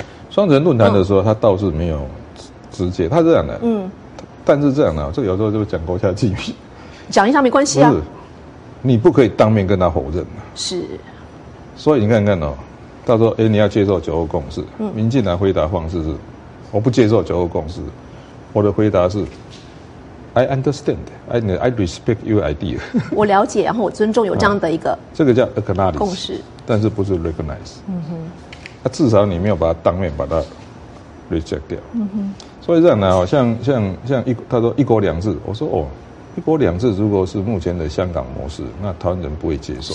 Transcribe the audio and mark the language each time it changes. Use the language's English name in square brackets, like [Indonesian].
[Chinese] 双城论坛的时候，他倒是没有直接，他这样的，但是这样的，这有时候就讲过下去，讲一下没关系啊。不是，你不可以当面跟他否认。是。所以你看看哦，他说：“哎，你要接受九二共识。” 民进党回答方式是：“我不接受九二共识。” 我的回答是 [English] ：“I understand, I respect your idea。” [Chinese] 我了解，然后我尊重有这样的一个、这个叫 acknowledge 共识，但是不是 recognize。嗯哼，至少你没有把它当面把它 reject 掉。嗯哼，所以这样呢，像他说一国两制，我说哦，一国两制如果是目前的香港模式，那台湾人不会接受。